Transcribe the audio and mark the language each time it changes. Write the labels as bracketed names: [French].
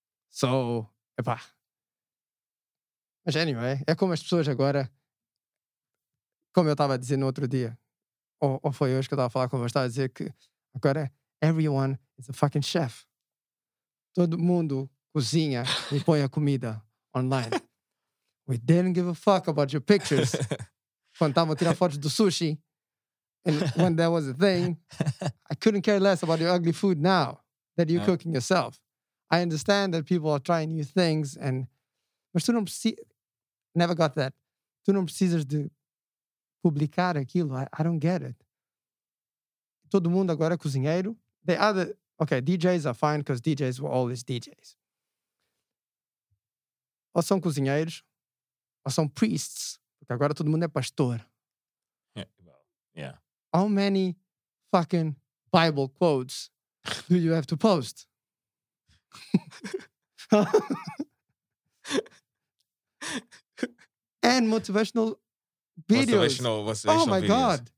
[Portuguese] So, epá. Mas anyway, é como as pessoas agora, como eu estava a dizer no outro dia, ou foi hoje que eu estava a falar com você, estava a dizer que agora [English] everyone is a fucking chef. [Portuguese] Todo mundo cozinha e põe a comida online. [English] We didn't give a fuck about your pictures. [Portuguese] Quando estavam a tirar fotos do sushi, [English] and when that was a thing, I couldn't care less about your ugly food now that you're cooking yourself. I understand that people are trying new things, and [Portuguese] mas tu não precisas, [English] never got that. [Portuguese] Tu não precisas de publicar aquilo. [English] I don't get it. [Portuguese] Todo mundo agora é cozinheiro. [English] They are the, okay, DJs are fine because DJs were always DJs. [Portuguese] Ou são cozinheiros, ou são priests, porque agora todo mundo é pastor. [English] Yeah. How many fucking Bible quotes do you have to post? And motivational videos. Motivational oh my videos. God.